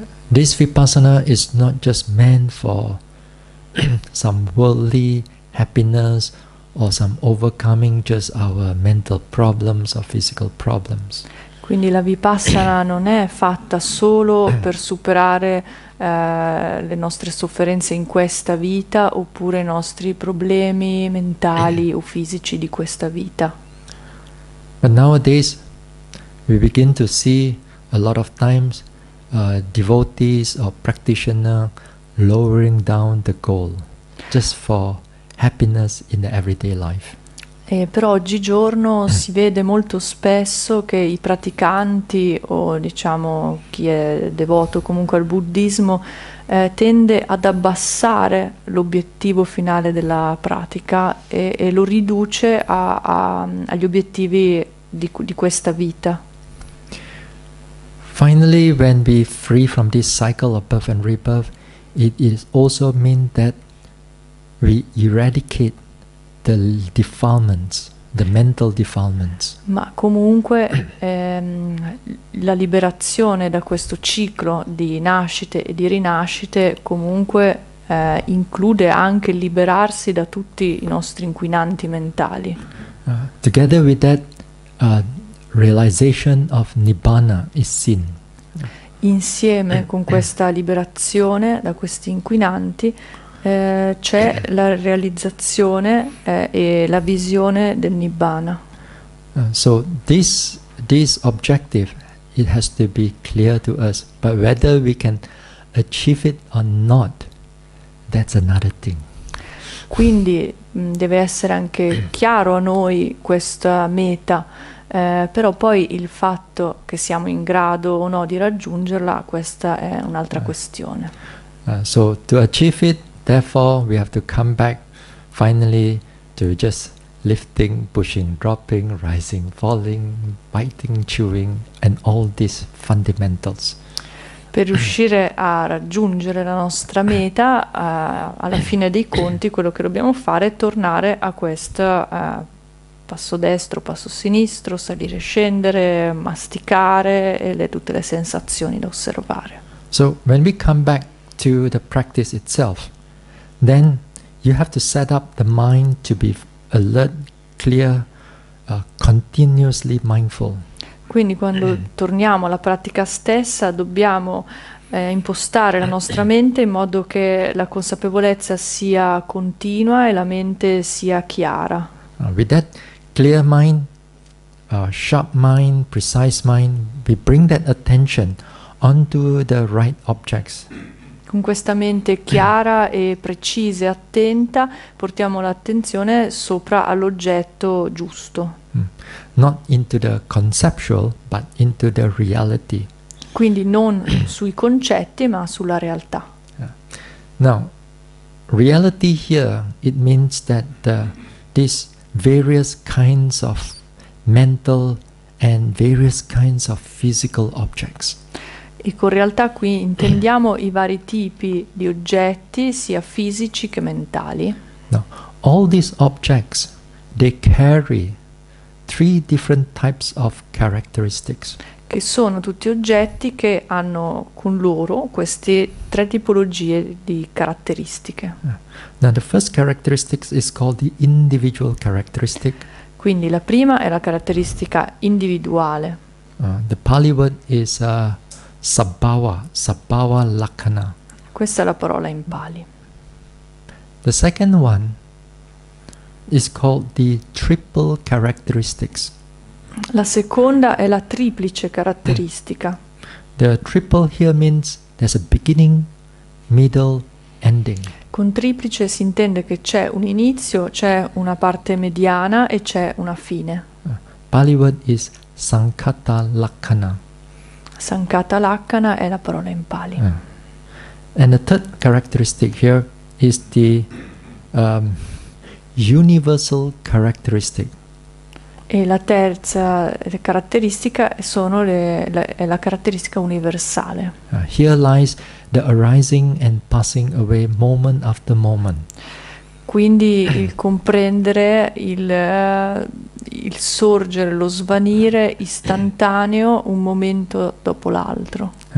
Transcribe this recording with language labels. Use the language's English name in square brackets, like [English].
[English] This Vipassana is not just meant for some worldly happiness or some overcoming just our mental problems or physical problems. [Italian] Quindi la Vipassana non è fatta solo per superare le nostre sofferenze in questa vita oppure i nostri problemi mentali o fisici di questa vita. [English] But nowadays we begin to see a lot of times devotees or practitioners lowering down the goal just for happiness in the everyday life. [Italian] Però oggigiorno si vede molto spesso che i praticanti o diciamo chi è devoto comunque al buddismo tende ad abbassare l'obiettivo finale della pratica e lo riduce agli obiettivi di questa vita. [English] Finally, when we free from this cycle of birth and rebirth, it is also mean that we eradicate the defilements, the mental defilements. [Italian] Ma comunque la liberazione da questo ciclo di nascite e di rinascite comunque include anche liberarsi da tutti i nostri inquinanti mentali. [English] Together with that realization of Nibbana is seen. [Italian] Insieme con questa liberazione da questi inquinanti c'è la realizzazione e la visione del Nibbana. [English] So this objective it has to be clear to us, but whether we can achieve it or not, that's another thing. [Italian] Quindi deve essere anche chiaro a noi questa meta, però poi il fatto che siamo in grado o no di raggiungerla, questa è un'altra questione. [English] So to achieve it, therefore, we have to come back finally to just lifting, pushing, dropping, rising, falling, biting, chewing, and all these fundamentals. [Italian] Per riuscire a raggiungere la nostra meta, alla fine dei conti, quello che dobbiamo fare è tornare a questo passo destro, passo sinistro, salire, scendere, masticare e tutte le sensazioni da osservare. [English] So, when we come back to the practice itself, then you have to set up the mind to be alert, clear, continuously mindful. [Italian] Quindi quando torniamo alla pratica stessa dobbiamo impostare la nostra mente in modo che la consapevolezza sia continua e la mente sia chiara. [English] With that clear mind, sharp mind, precise mind, we bring that attention onto the right objects. [Italian] Con questa mente chiara e precisa e attenta, portiamo l'attenzione sopra all'oggetto giusto. [English] Not into the conceptual, but into the reality. [Italian] Quindi non sui concetti, ma sulla realtà. [English] Now, reality here, it means that these various kinds of mental and various kinds of physical objects. [Italian] E con realtà qui intendiamo i vari tipi di oggetti, sia fisici che mentali. [English] Now, all these objects, they carry three different types of characteristics. [Italian] Che sono tutti oggetti che hanno con loro queste tre tipologie di caratteristiche. [English] Now, the first characteristic is called the individual characteristic. [Italian] Quindi la prima è la caratteristica individuale. [English] The Pali word is... Sabbhava, Sabbhava Lakkhana. [Italian] Questa è la parola in Pali. [English] The second one is called the triple characteristics. [Italian] La seconda è la triplice caratteristica. [English] The triple here means there's a beginning, middle, ending. [Italian] Con triplice si intende che c'è un inizio, c'è una parte mediana e c'è una fine. [English] Pali word is Sankata Lakkhana. [Italian] Sankata Lakkhana è la parola in Pali. [English] And the third characteristic here is the universal characteristic. [Italian] E la terza caratteristica sono è la caratteristica universale. [English] Here lies the arising and passing away moment after moment. [Italian] Quindi il comprendere il sorgere, lo svanire istantaneo, un momento dopo l'altro.